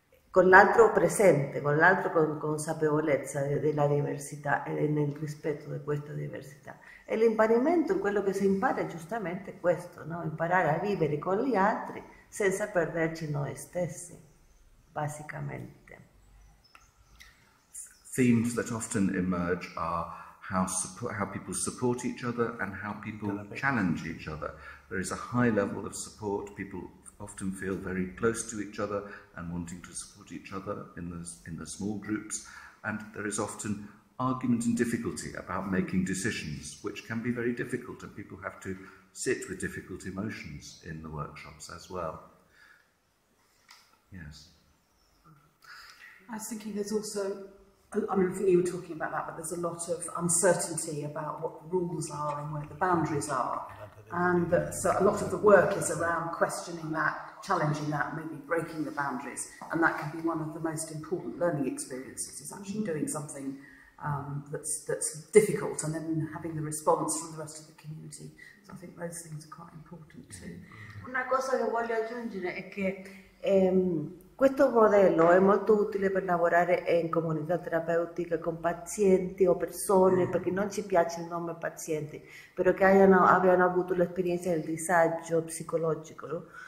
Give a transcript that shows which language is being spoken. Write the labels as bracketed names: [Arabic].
[Italian] Con l'altro presente, con l'altro con consapevolezza della diversità e nel rispetto di questa diversità. E l'imparimento, quello che si impara è giustamente questo, no? Imparare a vivere con gli altri senza perderci noi stessi, basicamente. [English] Themes that often emerge are how people support each other and how people challenge each other. There is a high level of support. People often feel very close to each other and wanting to support each other in the small groups. And there is often argument and difficulty about making decisions, which can be very difficult, and people have to sit with difficult emotions in the workshops as well. Yes. I was thinking there's also, I mean, I think you were talking about that, but there's a lot of uncertainty about what the rules are and where the boundaries are. And that, so a lot of the work is around questioning that, challenging that, maybe breaking the boundaries. And that can be one of the most important learning experiences, is actually doing something that's difficult and then having the response from the rest of the community. So I think those things are quite important too. [Italian] Una cosa che voglio aggiungere è che questo modello è molto utile per lavorare in comunità terapeutica con pazienti o persone, perché non ci piace il nome pazienti, però che abbiano avuto l'esperienza del disagio psicologico, no?